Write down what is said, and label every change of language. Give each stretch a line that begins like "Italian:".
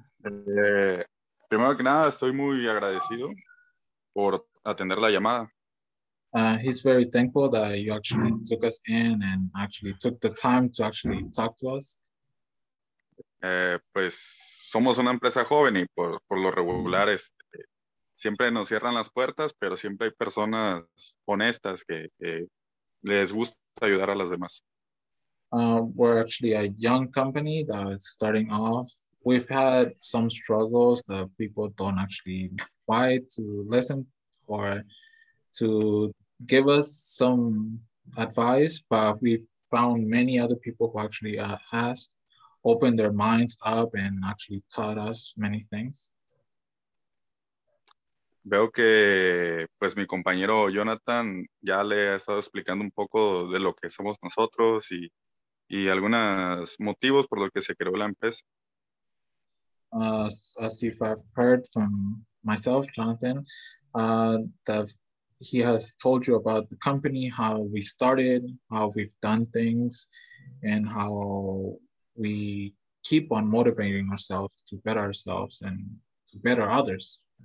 Spanish: Primero que nada, estoy muy agradecido por atender la llamada.
English: He's very thankful that you actually took us in and actually took the time to actually talk to us.
Spanish: Pues somos una empresa joven y por lo regular siempre nos cierran las puertas, pero siempre hay personas honestas que les gusta ayudar a las demás.
English: We're actually a young company that's starting off. We've had some struggles that people don't actually fight to listen or to give us some advice, but we've found many other people who actually has opened their minds up and actually taught us many things.
Spanish: Veo que pues mi compañero Jonathan ya le ha estado explicando un poco de lo que somos nosotros y algunos motivos por los que se creó la empresa.
English: As if I've heard from myself, Jonathan, that he has told you about the company, how we started, how we've done things, and how we keep on motivating ourselves to better ourselves and to better others.